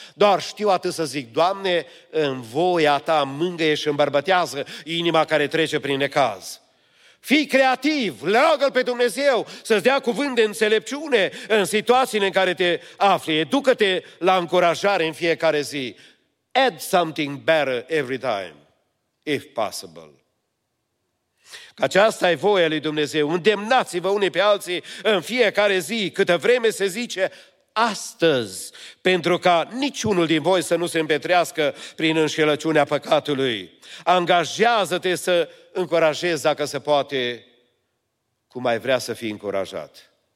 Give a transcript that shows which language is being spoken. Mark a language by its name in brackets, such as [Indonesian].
[Romanian] Doar știu atât să zic, Doamne, în voia ta mângâie și îmbărbătează inima care trece prin necaz. Fii creativ, leagă-L pe Dumnezeu să-ți dea cuvânt de înțelepciune în situațiile în care te afli. Educă-te la încurajare în fiecare zi. [English] Add something better every time, if possible. [Romanian] Că aceasta e voia lui Dumnezeu. Îndemnați-vă unii pe alții în fiecare zi, câtă vreme se zice astăzi, pentru ca niciunul din voi să nu se împetrească prin înșelăciunea păcatului. Angajează-te să încurajezi, dacă se poate, cum ai vrea să fii încurajat.